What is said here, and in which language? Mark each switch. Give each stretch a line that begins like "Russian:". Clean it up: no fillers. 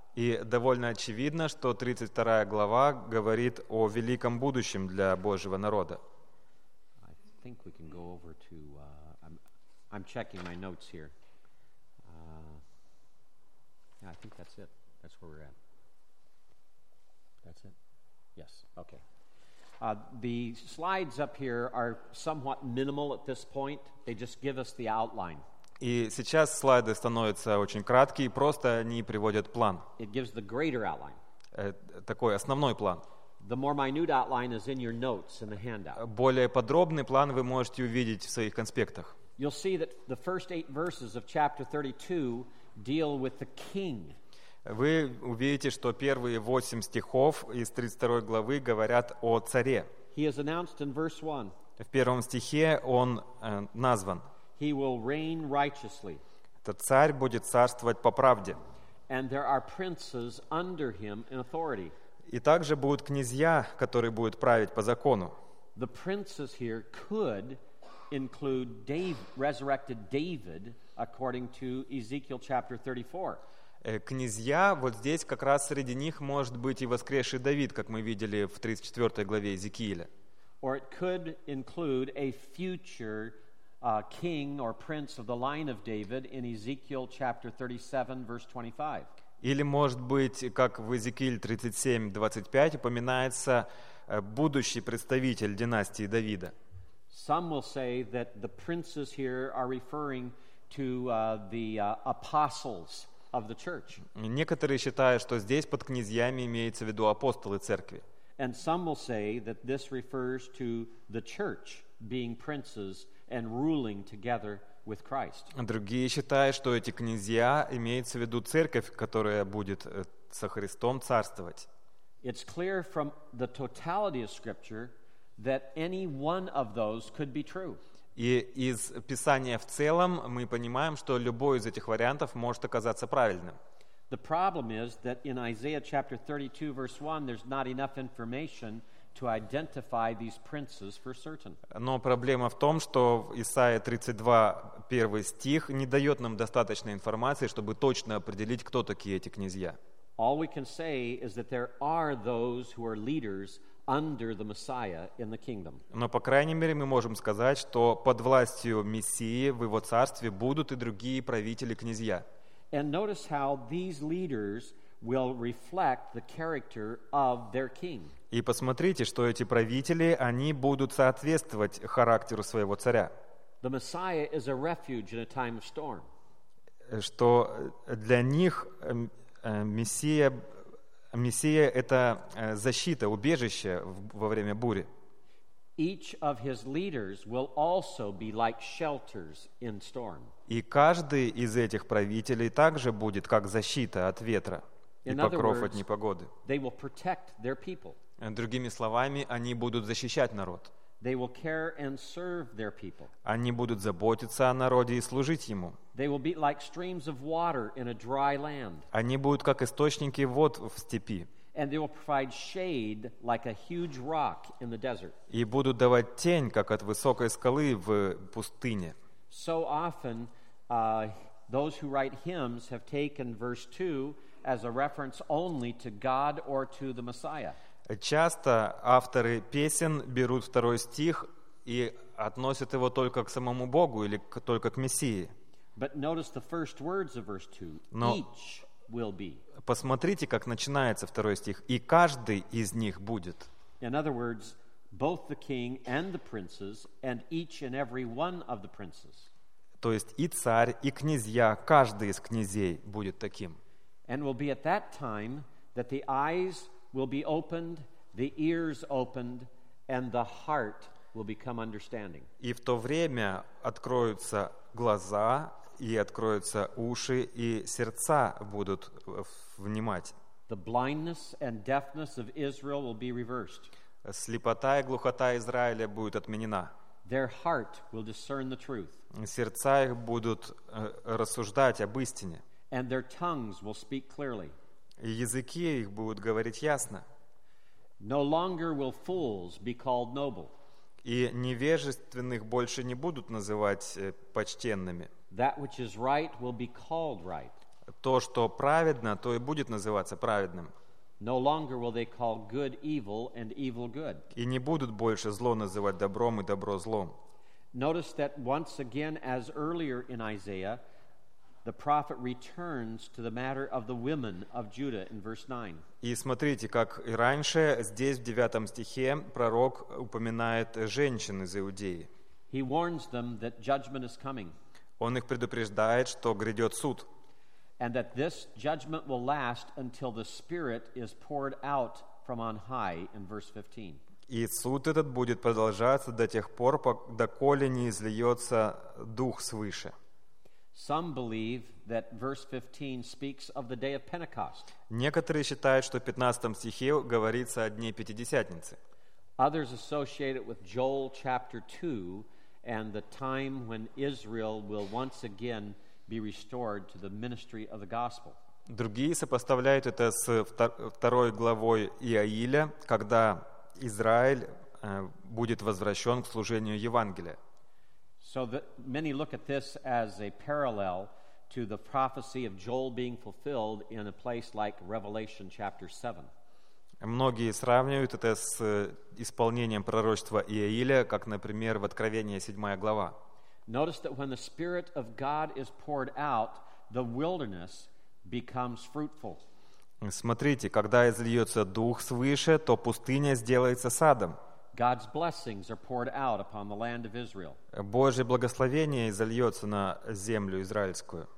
Russian: И довольно очевидно, что 32 глава говорит о великом будущем для Божьего народа.
English: I think we can go over to I'm checking my notes here. Yeah, I think that's it. That's where we're at. That's it? Yes. Okay. The slides up here are somewhat minimal at this point. They just give us the outline.
Russian: И сейчас слайды становятся очень краткие, просто они приводят план.
English: It gives the greater outline.
Russian: Такой основной план.
English: The more minute outline is in your notes in the handout.
Russian: Более подробный план вы можете увидеть в своих конспектах.
English: You'll see that the first eight verses of chapter 32 deal with the king.
Russian: Вы увидите, что первые восемь стихов из 32 главы говорят о царе.
English: He is announced in verse 1.
Russian: В первом стихе он назван.
English: He will reign righteously.
Russian: Этот царь будет царствовать по правде.
English: And there are princes under him in authority.
Russian: И также будут князья, которые будут править по закону.
English: The princes here could include resurrected David, according to Ezekiel chapter 34.
Russian: Князья, вот здесь как раз среди них может быть и воскресший Давид, как мы видели в 34 главе Иезекииля.
English: Or it could include a future king or prince of the line of David in Ezekiel chapter 37, verse 25.
Russian: Или может быть, как в Иезекииле 37:25 упоминается будущий представитель династии Давида.
English: Some will say that the princes here are referring to apostles. Of the church.
Russian: Некоторые считают, что здесь под князьями имеется в виду апостолы церкви.
English: And some will say that this refers to the church being princes and ruling together with Christ.
Russian: Другие считают, что эти князья имеются в виду церковь, которая будет со Христом царствовать.
English: It's clear from the totality of Scripture that any one of those could be true.
Russian: И из Писания в целом мы понимаем, что любой из этих вариантов может оказаться правильным.
English: The problem is that in Isaiah chapter 32 verse 1 there's not enough information to identify these princes for certain.
Russian: Но проблема в том, что в Исаии 32 первый стих не дает нам достаточной информации, чтобы точно определить, кто такие эти князья.
English: All we can say is that there are those who are leaders under the Messiah in the kingdom.
Russian: Но по крайней мере мы можем сказать, что под властью Мессии в его царстве будут и другие правители, князья.
English: And notice how these leaders will reflect the character of their king.
Russian: И посмотрите, что эти правители, они будут соответствовать характеру своего царя.
English: The Messiah is a refuge in a time of storm.
Russian: Что для них Мессия — это защита, убежище во время бури.
English: Each of his leaders will also be like shelters in storm.
Russian: И каждый из этих правителей также будет как защита от ветра и покров от непогоды.
English: They will protect their people.
Russian: Другими словами, они будут защищать народ.
English: They will care and serve their people.
Russian: Они будут заботиться о народе и служить ему.
English: They will be like streams of water in a dry land.
Russian: Они будут как источники вод в степи.
English: And they will provide shade like a huge rock in the desert.
Russian: И будут давать тень, как от высокой скалы в пустыне.
English: So often, those who write hymns have taken verse 2 as a reference only to God or to the Messiah.
Russian: Часто авторы песен берут второй стих и относят его только к самому Богу или только к Мессии.
English: But notice the first words of verse 2.
Russian: Но
English: each will be.
Russian: Посмотрите, как начинается второй стих. И каждый из них будет.
English: In other words, both the king and the princes, and each and every one of the princes.
Russian: То есть и царь, и князья, каждый из князей будет таким.
English: And will be at that time that the eyes will be opened, the ears opened, and the heart will become understanding.
Russian: И в то время откроются глаза, и откроются уши, и сердца будут внимать.
English: The blindness and deafness of Israel will be reversed.
Russian: Слепота и глухота Израиля будет отменена.
English: Their heart will discern the truth.
Russian: Сердца их будут рассуждать об истине.
English: And their tongues will speak clearly.
Russian: И языки их будут говорить ясно.
English: No longer will fools be called noble.
Russian: И невежественных больше не будут называть почтенными.
English: That which is right will be called right.
Russian: То, что праведно, то и будет называться праведным.
English: No longer will they call good evil and evil good.
Russian: И не будут больше зло называть добром и добро злом.
English: Notice that once again, as earlier in Isaiah, the prophet returns to the matter of the women of Judah in verse 9.
Russian: И смотрите, как и раньше, здесь в 9 стихе пророк упоминает женщин из Иудеи.
English: He warns them that judgment is coming.
Russian: Он их предупреждает, что грядет суд.
English: And that this judgment will last until the Spirit is poured out from on high in verse 15.
Russian: И суд этот будет продолжаться до тех пор, доколе не изльется Дух свыше.
English: Some believe that verse 15 speaks of the day of Pentecost.
Russian: Некоторые считают, что в 15 стихе говорится о дне Пятидесятницы.
English: Others associate it with Joel chapter 2 and the time when Israel will once again be restored to the ministry of the gospel.
Russian: Другие сопоставляют это с второй главой Иоиля, когда Израиль будет возвращен к служению Евангелия.
English: So that many look at this as a parallel to the prophecy of Joel being fulfilled in a place like Revelation chapter 7.
Russian: Многие сравнивают это с исполнением пророчества Иоиля, как, например, в Откровении 7 глава.
English: Notice that when the Spirit of God is poured out, the wilderness becomes fruitful.
Russian: Смотрите, когда изльется Дух свыше, то пустыня сделается садом.
English: God's blessings are poured out upon the land of Israel.
Russian: Божье благословение изольется на землю израильскую.